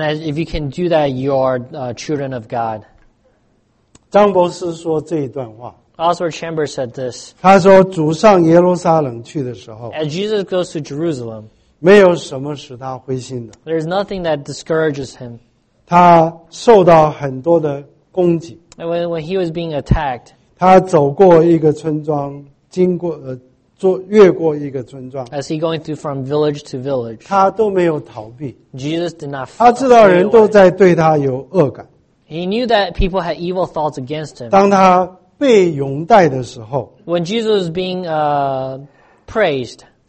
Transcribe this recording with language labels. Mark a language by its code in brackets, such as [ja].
[en] if you can do that, you are children of God. [zh] 张博士说这一段话。Oswald [en] Chambers said this. [zh] 他说，主上耶路撒冷去的时候， [en] As Jesus goes to Jerusalem, [zh] 没有什么使他灰心的。 [en] There is nothing that discourages him. [zh] 他受到很多的攻击。 [en] When he was being attacked, [zh] 他走过一个村庄，经过。越过一个村庄, [en] as he going through from village to village, [zh] 他都没有逃避, [en] Jesus did not flee. [zh] 他知道人都在对他有恶感, [en] he knew that people had evil thoughts against him. [zh] 当他被拥戴的时候, [en] when Jesus was being praised,